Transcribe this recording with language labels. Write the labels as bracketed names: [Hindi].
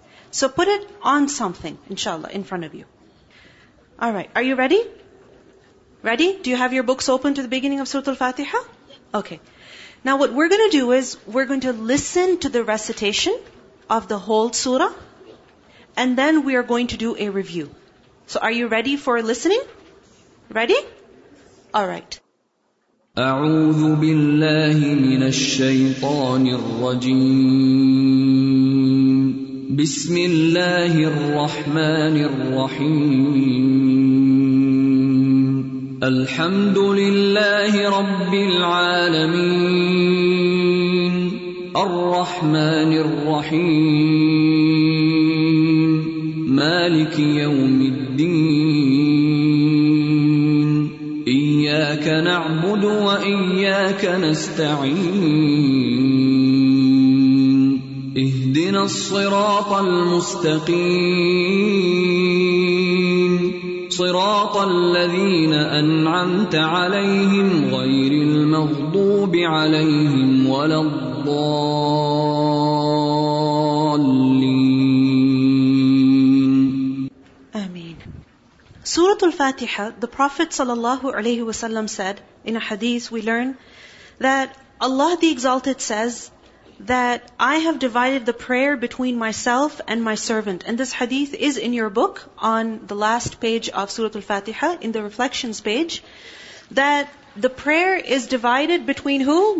[English] So put it on something, inshallah, in front of you. Alright, are you ready? Ready? Do you have your books open to the beginning of Surah Al-Fatiha? Okay. Now what we're going to do is, we're going to listen to the recitation of the whole surah, and then we are going to do a review. So are you ready for listening? Ready? Alright. [Arabic] أعوذ بالله من الشيطان الرجيم بسم الله الرحمن الرحيم الحمد لله رب العالمين الرحمن الرحيم مالك مالك يوم الدين إياك نعبد وإياك نستعين اهدنا الصراط المستقيم صراط الذين أنعمت عليهم غير المغضوب عليهم ولا الضالين آمين. [English] سورة الفاتحة, the Prophet sallallahu alayhi wa sallam said, in a hadith we learn that Allah the Exalted says that I have divided the prayer between myself and my servant. And this hadith is in your book on the last page of Surah Al-Fatiha, in the reflections page, that the prayer is divided between who?